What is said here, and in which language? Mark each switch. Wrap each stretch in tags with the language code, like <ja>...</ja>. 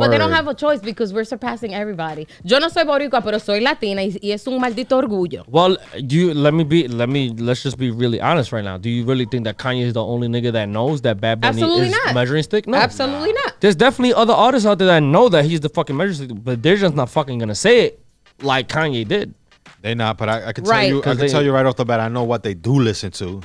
<en>But they don't have a choice because we're surpassing everybody.</en> <es>Yo no soy boricua, pero soy latina y es un maldito orgullo.</es> <en>Well, let's just be really honest right now. Do you really think that Kanye is the only nigga that knows that Bad Bunny absolutely is not. Measuring stick? No. Absolutely not. There's definitely other artists out there that know that he's the fucking measuring stick, but they're just not fucking gonna say it like Kanye did. They not, but I can tell you, I can tell you right off the bat, I know what they do listen to.</en>